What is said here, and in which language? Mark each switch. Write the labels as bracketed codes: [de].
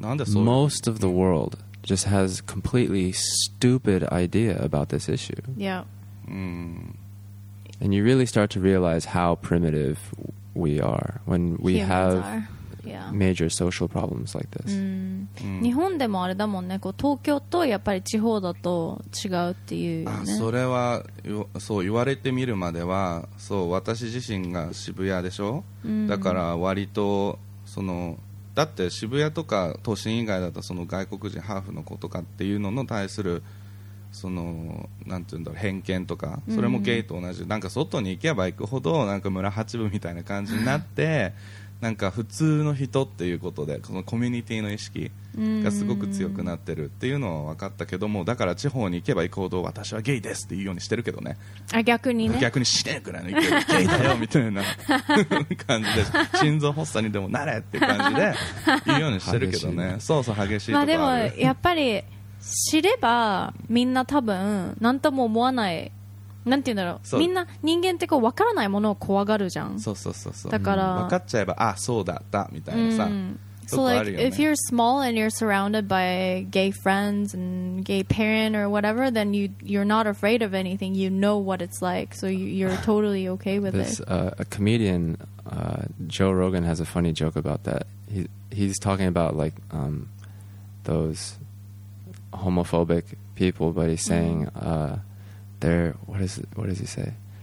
[ja] なんでそう。 [en] Most of the world just has completely stupid idea about this issue. Yeah. And you really start to realize how primitive we are when we have major social problems like this. [ja] 日本でもあれだもんね。こう東京とやっぱり地方だと違うっていうよね。それはそう言われてみるまでは、そう私自身が渋谷でしょ。だから割とそのだって渋谷とか都心以外だとその外国人ハーフの子とかっていうのの対するそのなんていうんだろう偏見とか、それもゲイと同じ、なんか外に行けば行くほどなんか村八分みたいな感じになってなんか普通の人っていうことでそのコミュニティの意識がすごく強くなってるっていうのは分かったけども、だから地方に行けば行くほど私はゲイですっていうようにしてるけどね。あ、逆にね、逆に死ねえくらいの勢いでゲイだよみたいな感じで心臓発作にでもなれっていう感じで言うようにしてるけどね。そうそう激しいとかある。まあ、でもやっぱり知ればみんな多分何とも思わない、なんて言うんだろう、みんな人間ってこう分からないものを怖がるじゃん。そうそうそうそう、だから、分かっちゃえば、あ、そうだったみたいなさ、うん、そこあるよね。 [en] So like, if you're small and you're surrounded by gay friends and gay parent or whatever, then you're not afraid of anything. You know what it's like, so you're totally okay with this, it. A comedian, Joe Rogan, has a funny joke about that. He's talking about like those homophobic people, but he's saying they're, what does he say?